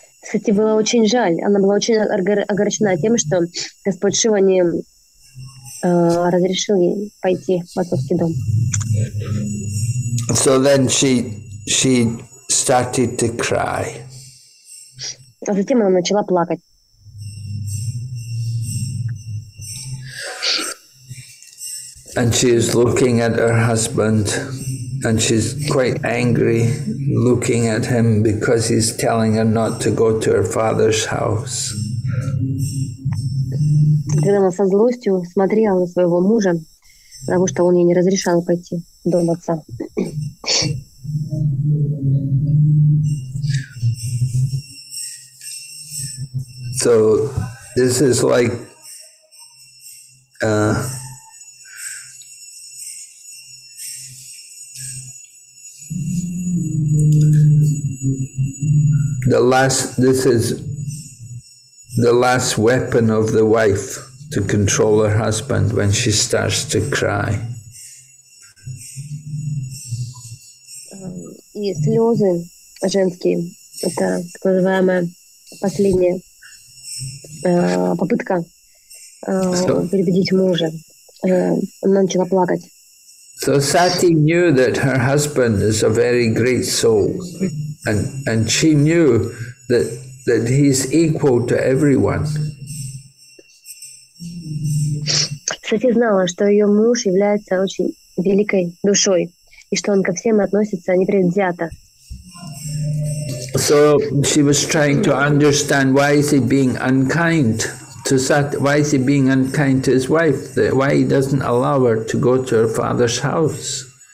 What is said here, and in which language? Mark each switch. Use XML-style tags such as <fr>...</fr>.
<ru>Сати была очень жаль. Она была очень огорчена тем, что Господь Шива не разрешил ей пойти в отцовский дом.</ru> <en>So then she started to cry.</en> <ru>А затем она начала плакать.</ru> <en>And she is looking at her husband, and she's quite angry looking at him because he's telling her not to go to her father's house.</en> <ru>Когда она со злостью смотрела на своего мужа, потому что он ей не разрешал пойти в дом отца.</ru> <en>So this is like the last weapon of the wife to control her husband when she starts to cry.</en> <ru>И слезы женские, это так называемая последняя попытка переубедить мужа. Она начала плакать.</ru> <en>So Sati knew that her husband is a very great soul, and she knew that he's equal to everyone.</en> <ru>Сати знала, что ее муж является очень великой душой, и что он ко всем относится непредвзято.</ru> <en>So she was trying to understand why is he being unkind to Sati, why is he being unkind to his wife, why he doesn't allow her to go to her father's house.</en>